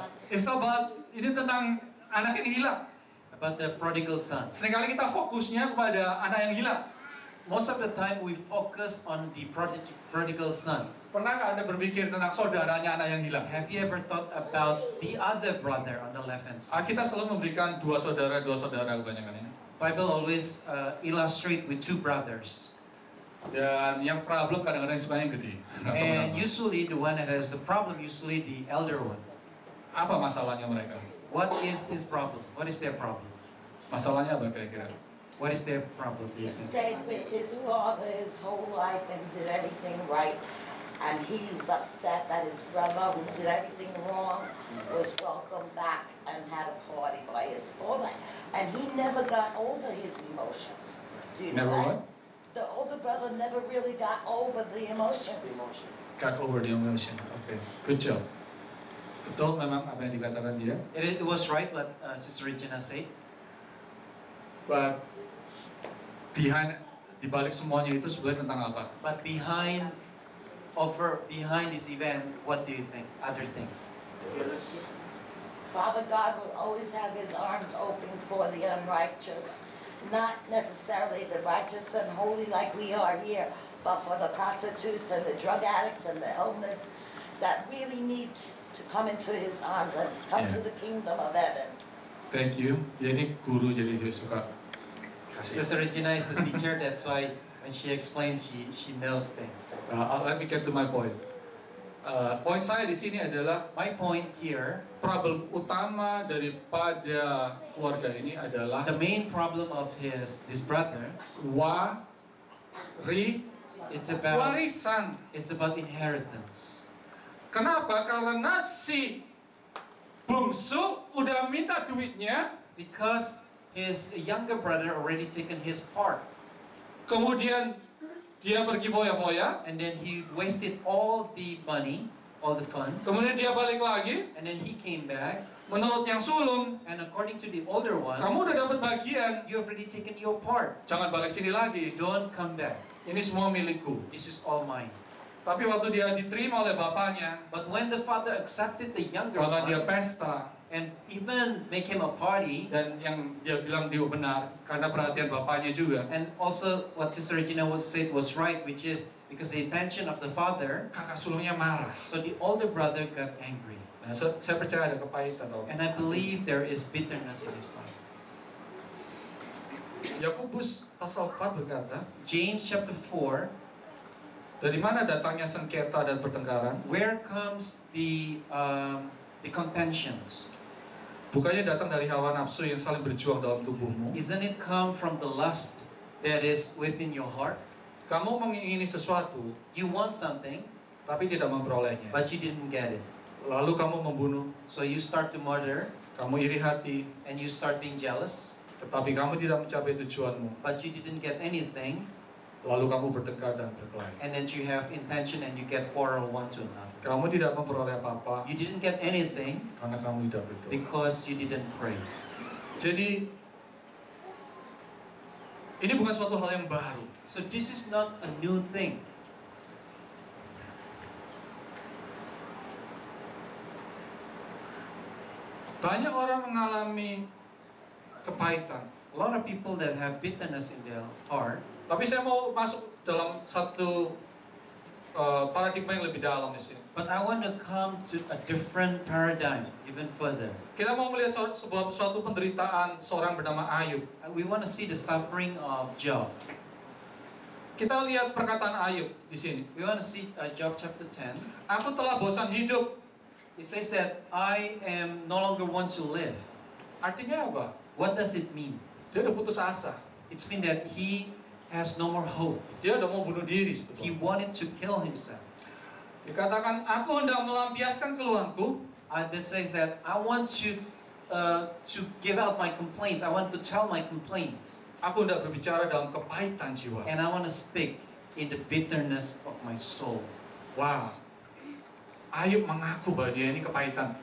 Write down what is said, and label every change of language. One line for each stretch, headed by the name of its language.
English: It's about
Indonesian: ini tentang anak yang hilang.
English: But the prodigal son.
Indonesian: Seringkali kita fokusnya kepada anak yang hilang.
English: Most of the time we focus on the prodigal son.
Indonesian: Pernah nggak anda berpikir tentang saudaranya anak yang hilang?
English: Have you ever thought about the other brother on the left hand side?
Indonesian: Alkitab selalu memberikan dua saudara kebanyakannya.
English: Bible always illustrate with two brothers.
Indonesian: Dan yang problem kadang-kadang sebenarnya yang gede.
English: And usually the one that has the problem usually the elder one.
Indonesian: Apa masalahnya mereka?
English: What is his problem? What is their problem?
Indonesian: Masalahnya apa kira-kira?
English: What is their problem? He stayed with his father his whole life and did everything right. And he's upset that his brother who did everything wrong was welcomed back and had a party by his father. And he never got over his emotions. Do you never know what? The older brother never really got over the emotions. Got over the emotion. Okay. Good job.
Indonesian: Betul memang apa yang dikatakan dia.
English: It was right what Sister Regina said. But behind
Indonesian: di balik semuanya itu sebenarnya tentang apa?
English: But behind over behind this event, what do you think? Other things. Father God will always have his arms open for the unrighteous. Not necessarily the righteous and holy like we are here, but for the prostitutes and the drug addicts and the homeless that really need to come into his arms and come to the kingdom of heaven. Thank you.
Indonesian: Jadi guru, jadi saya suka.
English: Sister Regina is a teacher, that's why when she explains, she knows things. Let me get to my point.
Indonesian: Point saya di sini adalah
English: my point here,
Indonesian: problem utama daripada keluarga ini adalah
English: the main problem of his brother,
Indonesian: warisan.
English: It's about inheritance.
Indonesian: Kenapa? Karena si bungsu udah minta duitnya.
English: Because his younger brother already taken his part.
Indonesian: Kemudian dia pergi foya-foya,
English: and then he wasted all the money, all the funds.
Indonesian: Kemudian dia balik lagi,
English: and then he came back.
Indonesian: Menurut yang sulung,
English: and according to the older one,
Indonesian: kamu udah dapat bagian.
English: You have already taken your part.
Indonesian: Jangan balik sini lagi.
English: Don't come back.
Indonesian: Ini semua milikku.
English: This is all mine.
Indonesian: Tapi waktu dia diterima oleh bapaknya,
English: but when the father accepted the younger
Indonesian: one, dia pesta,
English: and even make him a party,
Indonesian: dan yang dia bilang dia benar karena perhatian bapaknya juga,
English: and also what Sister Regina was said was right, which is because the intention of the father,
Indonesian: kakak sulungnya marah,
English: so the older brother got angry.
Indonesian: Nah, so saya percaya ada kepahitan,
English: and I believe there is bitterness in his life.
Indonesian: Yakobus pasal 4 berkata,
English: James chapter 4,
Indonesian: dari mana datangnya sengketa dan pertengkaran?
English: Where comes the contentions?
Indonesian: Bukannya datang dari hawa nafsu yang saling berjuang dalam tubuhmu?
English: Isn't it come from the lust that is within your heart?
Indonesian: Kamu mengingini sesuatu,
English: you want something,
Indonesian: tapi tidak memperolehnya,
English: but you didn't get it.
Indonesian: Lalu kamu membunuh,
English: so you start to murder.
Indonesian: Kamu iri hati,
English: and you start being jealous.
Indonesian: Tetapi kamu tidak mencapai tujuanmu,
English: but you didn't get anything.
Indonesian: Lalu kamu bertengkar dan berkelahi.
English: And then you have intention and you get quarrel one to another.
Indonesian: Kamu tidak memperoleh apa-apa.
English: You didn't get anything.
Indonesian: Karena kamu tidak berdoa.
English: Because you didn't pray.
Indonesian: Jadi ini bukan suatu hal yang baru.
English: So this is not a new thing.
Indonesian: Banyak orang mengalami kepahitan.
English: A lot of people that have bitterness in their heart.
Indonesian: Tapi saya mau masuk dalam satu paradigma yang lebih dalam di sini.
English: But I want to come to a different paradigm even further.
Indonesian: Kita mau melihat suatu penderitaan seorang bernama Ayub.
English: We want to see the suffering of Job.
Indonesian: Kita lihat perkataan Ayub di sini.
English: We want to see Job chapter 10.
Indonesian: Aku telah bosan hidup.
English: It says that I am no longer want to live.
Indonesian: Artinya apa?
English: What does it mean?
Indonesian: Dia sudah putus asa.
English: It's mean that he has no more hope.
Indonesian: Dia udah mau bunuh diri. Sebetulnya.
English: He wanted to kill himself.
Indonesian: Dikatakan, aku hendak melampiaskan keluhanku.
English: That says that I want to give out my complaints. I want to tell my complaints.
Indonesian: Aku hendak berbicara dalam kepahitan jiwa.
English: And I want to speak in the bitterness of my soul. Wow.
Indonesian: Ayub mengaku bahwa dia ini kepahitan.